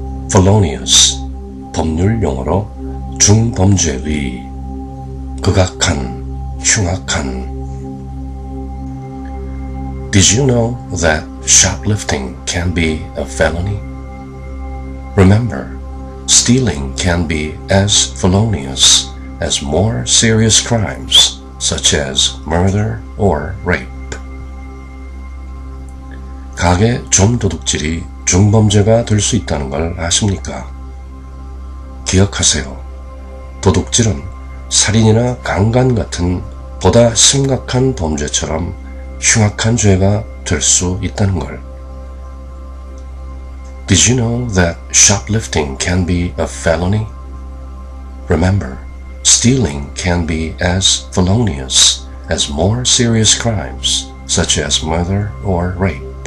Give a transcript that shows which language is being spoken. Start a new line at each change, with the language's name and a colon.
Korean: Felonious, 법률 용어로 중범죄의, 극악한, 흉악한.
English: Did you know that shoplifting can be a felony? Remember, stealing can be as felonious as more serious crimes, such as murder or rape.
Korean: 가게 좀도둑질이 중범죄가 될 수 있다는 걸 아십니까? 기억하세요. 도둑질은 살인이나 강간 같은 보다 심각한 범죄처럼 흉악한 죄가 될 수 있다는 걸.
English: Did you know that shoplifting can be a felony? Remember, Stealing can be as felonious as more serious crimes, such as murder or rape.